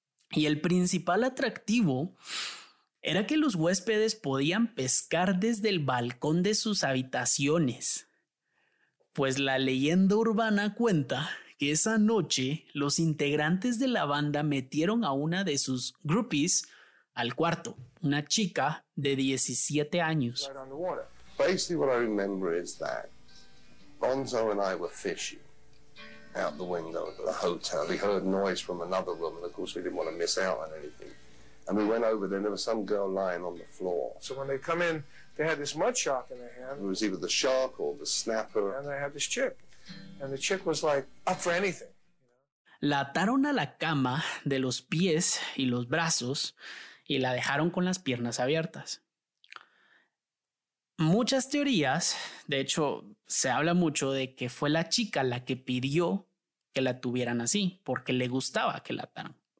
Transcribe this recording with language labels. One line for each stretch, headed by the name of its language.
Spanish: Y el principal atractivo era que los huéspedes podían pescar desde el balcón de sus habitaciones. Pues la leyenda urbana cuenta que esa noche los integrantes de la banda metieron a una de sus groupies al cuarto, una chica de 17 años.
English: Basically what I remember is that Bonzo and I were fishing out the window of the hotel. We heard noise from another room, and of course we didn't want to miss out on anything. And we went over there, and there was some girl lying on the floor. So when they come in, they had this mud shark in their hand. It was either the shark or the snapper. And they had this chick. And the chick was like, up for anything.
Spanish: La ataron a la cama de los pies y los brazos y la dejaron con las piernas abiertas. Muchas teorías, de hecho, se habla mucho de que fue la chica la que pidió que la tuvieran así, porque le gustaba que la ataran.